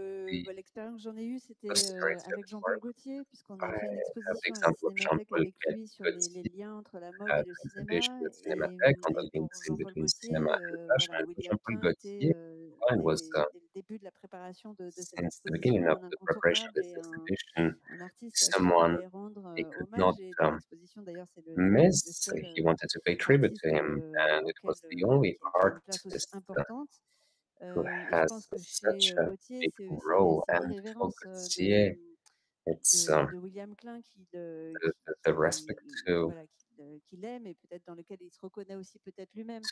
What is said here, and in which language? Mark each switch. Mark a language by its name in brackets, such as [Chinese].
[French] l'expérience que j'en ai eue, c'était avec Jean-Paul Gaultier, puisqu'on a fait une exposition à la Cinémathèque avec lui sur les liens entre la mode et le cinéma. Et la Cinémathèque, on a l'intérêt entre le cinéma et la fashion. [English] Jean-Paul Gaultier, Klein was the [French] début de la préparation de cette exposition. [English] Since the beginning of the preparation of this exhibition, someone he could not miss, he wanted to pay tribute to him, and it was the only artist who has such a big role, and Gaultier, it's the respect to [French] qu'il aime et peut-être dans lequel il se reconnaît aussi peut-être lui-même